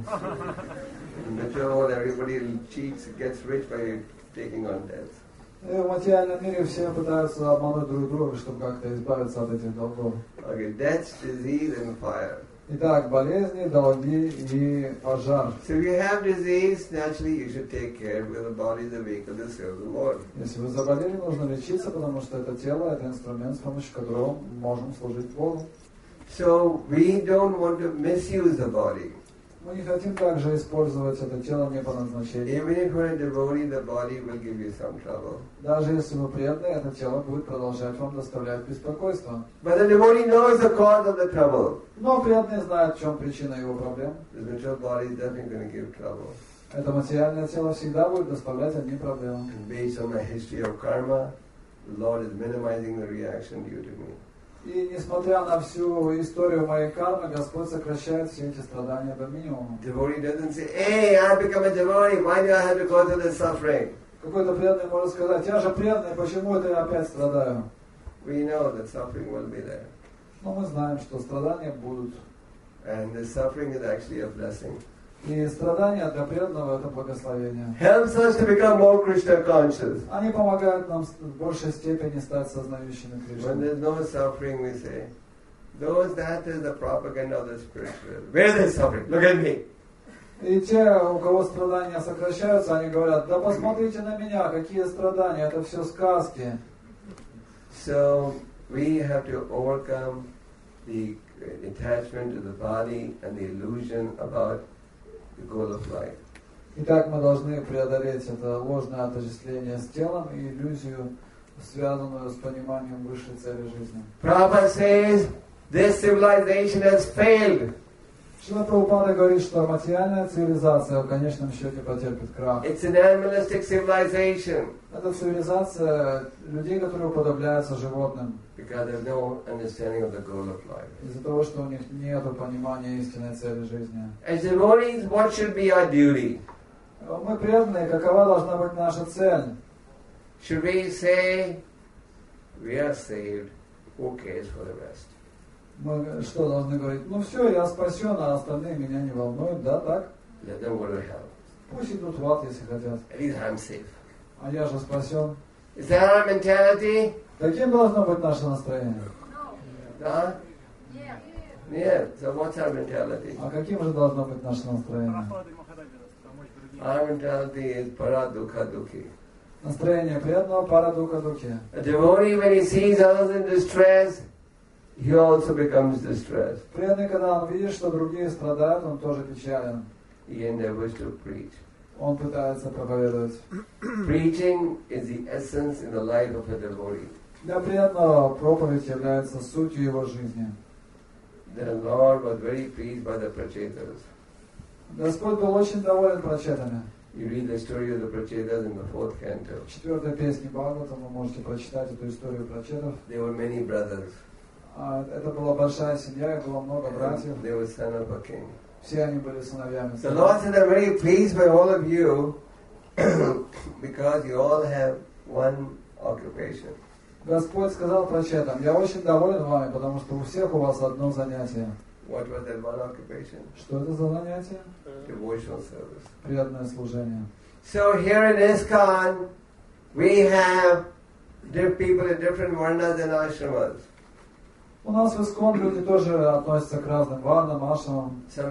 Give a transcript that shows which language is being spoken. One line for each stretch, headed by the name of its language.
English: But you know, everybody cheats, gets rich by taking on debts.
Russian: В материальном мире все пытаются обмануть друг друга, чтобы как-то избавиться от этих долгов.
English: Okay, debts, disease and fire.
Russian: Итак, болезни, долги и пожар.
English: So if you have disease, naturally you should take care because the body is the vehicle to serve the Lord.
Russian: Если вы заболели, нужно лечиться, потому что это тело, это инструмент, с помощью которого мы можем служить Богу.
English: So we don't want to misuse the body.
Russian: Мы не хотим также использовать это тело не по назначению.
English: Even if you're a devotee, the body will give you some trouble.
Russian: Даже если вы преданы, это тело будет продолжать вам доставлять беспокойство.
English: But the devotee knows the cause of the trouble.
Russian: Но преданный знает, в чем причина его проблем.
English: The material body is definitely going to give trouble.
Russian: Это материальное тело всегда будет доставлять одни проблемы.
English: Based on the history of karma, the Lord is minimizing the reaction due to me.
Russian: И несмотря на всю историю моей кармы, Господь сокращает все эти страдания до минимума.
English: Devotee doesn't say, "Hey, I've become a devotee. Why do I have to go through this suffering?"
Russian: Какой-то преданный может сказать, "Я же преданный, почему это я опять страдаю?"
English: We know that suffering will be there.
Russian: Но мы знаем, что страдания будут.
English: And the suffering is actually a blessing.
Russian: И страдания для преданного это благословение.
English: Helps us to become more Krishna conscious.
Russian: Они помогают нам в большей степени стать сознающими Кришной.
English: When there's no suffering, we say, those that is the propaganda of the spiritual. Where is the suffering? Look at me.
Russian: И те, у кого страдания сокращаются, они говорят: да посмотрите на меня, какие страдания, это все сказки.
English: So we have to overcome the attachment to the body and the illusion about the goal of life.
Russian: Итак, мы должны преодолеть это ложное отождествление с телом и иллюзию, связанную с пониманием высшей цели жизни.
English: Prabhupada says this civilization has failed.
Russian: Шрила Прабхупада говорит, что материальная цивилизация в конечном счете потерпит крах.
English: It's an animalistic civilization.
Russian: Это цивилизация людей, которые уподобляются животным.
English: Because they have no understanding of the goal of life.
Russian: Из-за того, что у них нет понимания истинной цели жизни.
English: As devotees, what should be our duty?
Russian: Мы преданные, какова должна быть наша цель?
English: Should we say, we are saved, who cares for the rest?
Russian: Мы что должны говорить? Ну все, я спасен, а остальные меня не волнуют, да, так?
English: Let them go to hell.
Russian: Пусть идут в ад, если хотят.
English: At least I'm safe.
Russian: А я же спасен.
English: Is that our mentality?
Russian: Таким должно быть наше настроение.
English: No.
Russian: Да? Нет.
English: Yeah.
Russian: Нет.
English: So what's our mentality?
Russian: А каким же должно быть наше настроение?
English: Our mentality is para dukha dukhi.
Russian: Настроение преданного para dukha dukhi.
English: A devotee when he sees others in distress, he also becomes distressed.
Russian: Преданный, когда он видит, что другие страдают, он тоже печален.
English: He endeavors to preach.
Russian: Он пытается проповедовать.
English: Preaching is the essence in the life of a devotee.
Russian: Для преданного проповедь является сутью его жизни.
English: The Lord was very pleased by the prachetas.
Russian: Господь был очень доволен прачетами.
English: You read the story of the prachetas in the fourth canto.
Russian: В четвертой песне Бхагаватам вы можете прочитать эту историю прачетов.
English: There were many brothers.
Russian: Это была большая семья, их было много братьев.
English: They were son of a king.
Russian: Все они были сыновьями.
English: The Lord said, I'm very pleased by all of you because you all have one occupation.
Russian: Господь сказал прачетам, я очень доволен вами, потому что у всех у вас одно занятие.
English: What was that one occupation?
Russian: Что это за занятие?
English: Devotional service.
Russian: Преданное служение.
English: So here in ISKCON we have people in different varnas and ashramas.
Russian: У нас в ИСККОН люди тоже относятся к разным варнам, ашрамам.